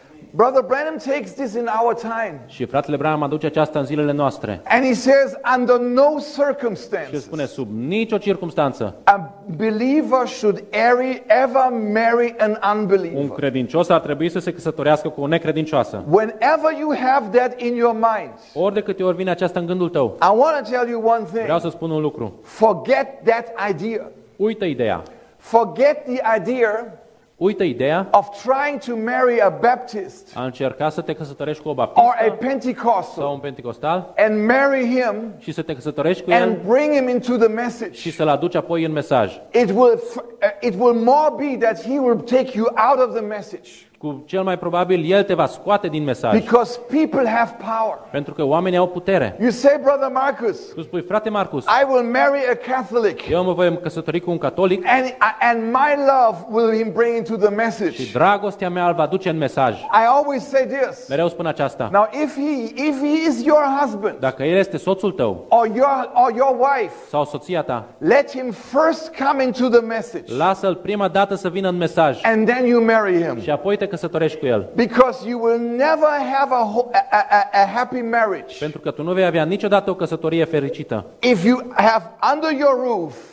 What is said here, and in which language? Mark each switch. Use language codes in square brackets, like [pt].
[en] Brother Branham takes this in our time. [ro] Și fratele Branham aduce aceasta în zilele noastre. [en] And he says, under no circumstances. [ro] Și spune sub nicio circumstanță. [en] A believer should ever marry an unbeliever. [ro] Un credincios ar trebui să se căsătorească cu o necredincioasă. [en] Whenever you have that in your mind. [ro] Ori de câte ori vine aceasta în gândul tău. [en] I want to tell you one thing. [ro] Vreau să spun un lucru. [en] Forget that idea. [ro] Uită ideea. [en] Forget the idea. [ro] Uită ideea. [en] Of trying to marry a Baptist. [ro] A încerca să te căsătorești cu o baptistă. [en] Or a Pentecostal. [ro] Sau un pentecostal. [en] And marry him. [ro] Și să te căsătorești cu [en] and [ro] el. [en] And bring him into the message. [ro] Și să-l aduci apoi în mesaj. [en] It will more be that he will take you out of the message. [ro] Cu cel mai probabil el te va scoate din mesaj. [en] Because people have power. [ro] Pentru că oamenii au putere. [en] You say, brother Marcus. [ro] Tu spui, frate Marcus. [en] I will marry a Catholic. [ro] Eu mă voi căsători cu un catolic. [en] And my love will him bring into the message. [ro] Și dragostea mea îl va duce în mesaj. [en] I always say this. [ro] Mereu spun aceasta. [en] Now if he is your husband. [ro] Dacă el este soțul tău. [en] Or your wife. [ro] Sau soția ta. [en] Let him first come into the message. [ro] Lasă-l prima dată să vină în mesaj. [en] And then you marry him. [ro] Și apoi te căsătorești cu el. [en] Because you will never have a happy marriage. [ro] Pentru că tu nu vei avea niciodată o căsătorie fericită. [en] If you have under your roof.